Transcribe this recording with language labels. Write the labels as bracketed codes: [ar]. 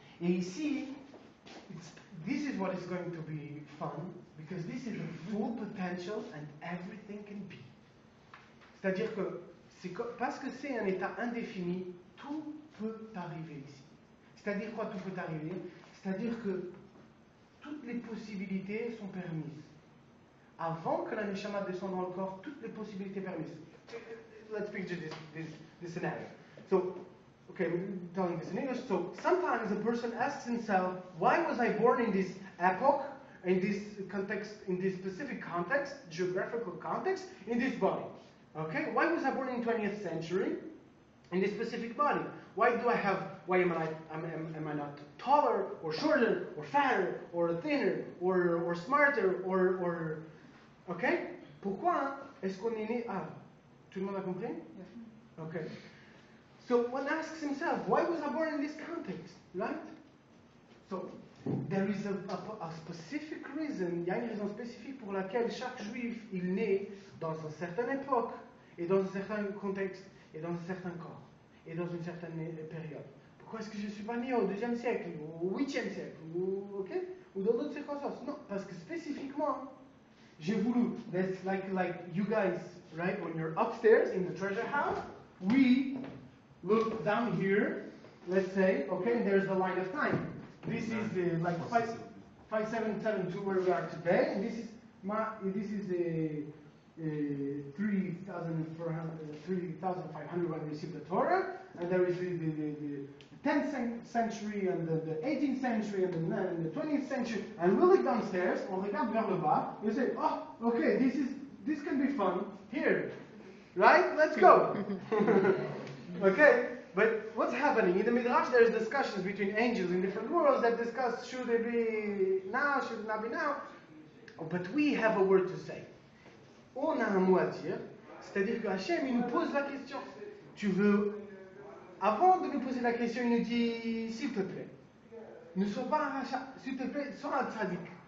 [fr] Et ici, [en] this is what is going to be fun, because this is the full potential and everything can be. [fr] C'est-à-dire que, c'est parce que c'est un état indéfini, tout peut arriver ici. C'est-à-dire quoi, tout peut arriver? C'est-à-dire que toutes les possibilités sont permises. Avant que la neshama descende dans le corps, toutes les possibilités permises. [en] Let's picture this scenario. So, okay, I'm telling this in English. So, sometimes a person asks himself, why was I born in this epoch, in this context, in this specific context, geographical context, in this body? Okay, why was I born in 20th century, in this specific body? Why am I not taller, or shorter, or fatter, or thinner, or smarter, or... Okay? [fr] Pourquoi est-ce qu'on est né à... Tout le monde a compris? [en] Yeah. Okay. So one asks himself, why was I born in this context, right? So there is a specific reason, [fr] il y a une raison spécifique pour laquelle chaque juif, il naît dans une certaine époque, et dans un certain contexte, et dans un certain corps, et dans une certaine période. Pourquoi est-ce que je ne suis pas né au 2e siècle, ou au 8e siècle, ou, okay? Ou dans d'autres circonstances? Non, parce que spécifiquement, j'ai voulu, [en] that's like you guys, right, when you're upstairs in the treasure house, we look down here, let's say, okay, there's the line of time. This is the, like, 5772 where we are today, and this is 3,500 when we received the Torah, and there is the 10th century and the 18th century and the 20th century, and we look downstairs, [fr] on regarde vers le bas, [en] we say, oh, okay, this can be fun here, right? Let's go. Okay, but what's happening? In the Midrash, there's discussions between angels in different worlds that discuss, should it be now, should it not be now? Oh, but we have a word to say. [fr] On a un mot à dire, c'est-à-dire que Hachem, il nous pose la question. Tu veux, avant de nous poser la question, il nous dit, s'il te plaît, ne sois pas un rachat, s'il te plaît, sois un tzadik.